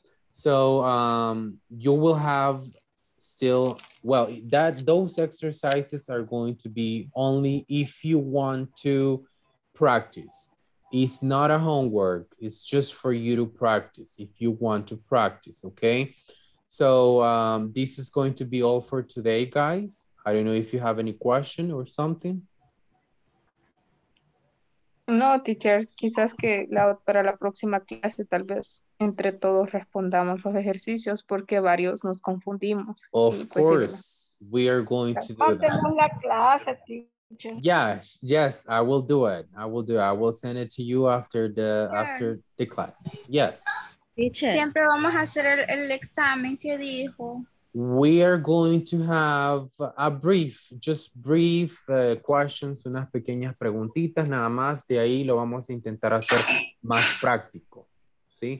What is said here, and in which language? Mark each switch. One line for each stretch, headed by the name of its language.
English: So you will have still, well, that those exercises are going to be only if you want to practice. It's not a homework, it's just for you to practice, if you want to practice, okay? So this is going to be all for today, guys. I don't know if you have any question or something.
Spanish: No, teacher, quizás que para la próxima clase tal vez entre todos respondamos los ejercicios porque varios nos confundimos.
English: Of course, we are going to do that.
Spanish: La clase, teacher.
English: Yes, yes, I will do it. I will do it. I will send it to you after the after the class. Yes. Teacher.
Spanish: Siempre vamos a hacer el examen que dijo.
English: We are going to have a brief, just brief questions,
Spanish: unas pequeñas preguntitas, nada más. De ahí lo vamos a intentar hacer más práctico, ¿sí?